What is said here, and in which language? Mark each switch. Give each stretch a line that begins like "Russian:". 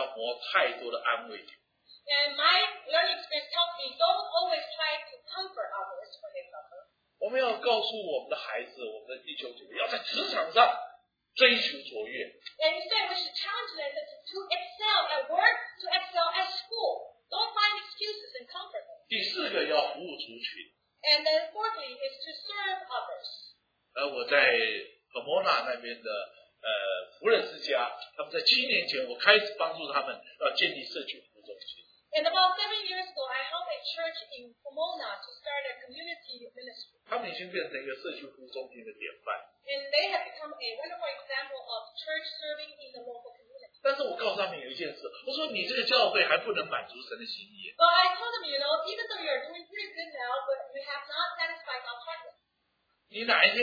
Chinese: 现在我改变了，我常不要给人家太多的安慰。
English: And my learning experience taught me don't always try to comfort others when they suffer.
Chinese: 我们要告诉我们的孩子，我们的弟兄姐妹要在职场上追求卓越。
English: And instead, we should challenge them to excel at work, to excel at school. Don't find excuses. excuses and comfort them.
Chinese: 第四个要服务族群。
English: And then fourthly is to serve others.
Chinese: 我在 Pomona那边的 福仁之家, 他们在七年前我开始帮助他们要建立社区服务中心。
English: And about 7 years ago, I helped a church in Pomona to start a community ministry.
Chinese: 他们已经变成一个社区服务中心的典范。
English: And they have become a wonderful example of church serving in the local community.
Chinese: 但是我告诉他们有一件事，我说你这个教会还不能满足神的心意。
English: But I told them, you know, even though you are doing pretty good now, but you have not satisfied our target.